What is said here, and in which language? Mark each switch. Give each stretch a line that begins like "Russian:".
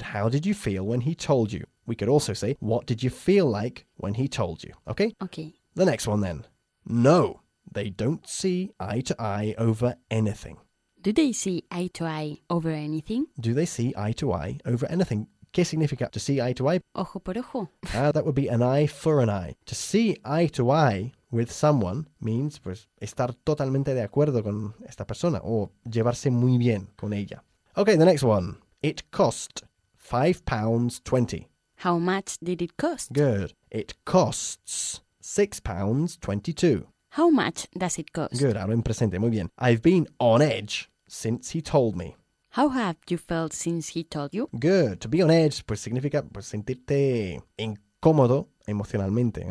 English: How did you feel when he told you? We could also say, what did you feel like when he told you? Okay? Okay. The next one then. No, they don't see eye to eye over anything. Do they see eye to eye over anything? Do they see eye to eye over anything?
Spanish: ¿Qué significa
English: to see eye to eye?
Spanish: Ojo por ojo.
English: That would be an eye for an eye. To see eye to eye with someone means
Spanish: pues, estar totalmente de acuerdo con esta persona o llevarse muy bien con ella.
English: Okay, the next one. It cost £5.20. How much did it cost? Good. It costs £6.22. How much does it cost?
Spanish: Good. Ahora en presente. Muy bien.
English: I've been on edge since he told me. How have you felt since he told you? Good. To be on edge,
Spanish: pues significa pues, sentirte incómodo emocionalmente.